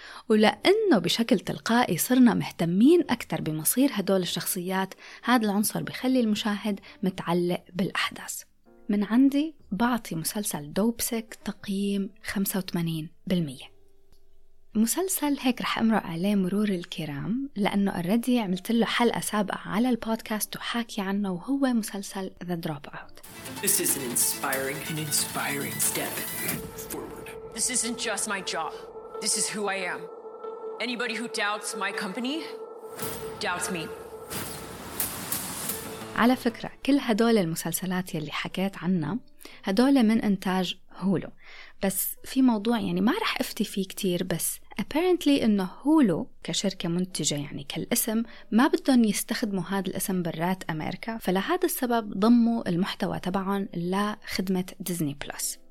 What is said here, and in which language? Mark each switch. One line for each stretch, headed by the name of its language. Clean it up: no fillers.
Arabic: ولأنه بشكل تلقائي صرنا مهتمين أكثر بمصير هدول الشخصيات، هذا العنصر بيخلي المشاهد متعلق بالأحداث. من عندي بعطي مسلسل دوبسك تقييم 85%. مسلسل هيك رح أمرق عليه مرور الكرام، لأنه أردي عملت له حلقة سابقة على البودكاست وحاكي عنه، وهو مسلسل The Dropout.
English: This is an inspiring step forward. This isn't just my job. This is who I am. Anybody who doubts my company doubts me.
Arabic: على فكرة كل هدول المسلسلات يلي حكيت عنها هدول من إنتاج هولو، بس في موضوع يعني ما رح افتي فيه كتير، بس apparently إنه هولو كشركة منتجة يعني كالاسم ما بدهم يستخدموا هذا الاسم برات أمريكا، فلهذا السبب ضموا المحتوى تبعهم لخدمة ديزني بلس.